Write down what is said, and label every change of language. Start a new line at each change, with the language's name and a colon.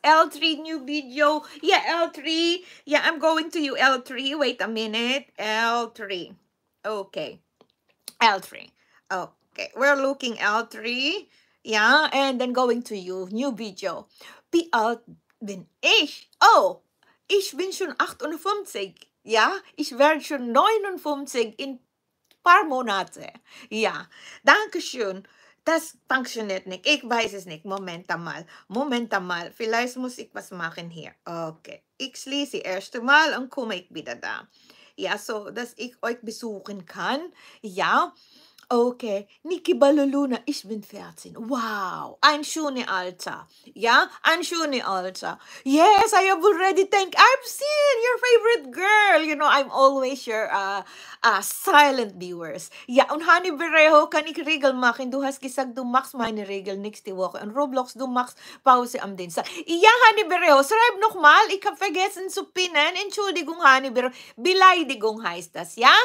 English: L3, new video. Yeah, L3. Yeah, I'm going to you, L3. Wait a minute. L3. Okay. L3. Okay, we're looking L3. Yeah, and then going to you, new video.
German: Wie alt bin ich? Oh, ich bin schon 58. Ja, ich werde schon 59 in ein paar Monate. Ja, danke schön. Das funktioniert nicht. Ich weiß es nicht. Moment einmal. Moment einmal. Vielleicht muss ich was machen hier. Okay. Ich schließe erst einmal und komme ich wieder da. Ja, so, dass ich euch besuchen kann. Ja. Okay, Niki Baluluna, ich bin 14. Wow, ein schönes Alter. Ja, ein schönes Alter.
English: Yes, I have already think I've seen your favorite girl. You know, I'm always your silent viewers.
German: Ja, und Hani Berejo, kann ich Regeln machen? Du hast gesagt, du machst meine Regeln nächste Woche. Und Roblox, du machst Pause am Dienstag. Ja, Hani Berejo, schreib nochmal. Ich habe vergessen zu pinnen. Entschuldigung, Hani Berejo. Beleidigung heißt das, ja?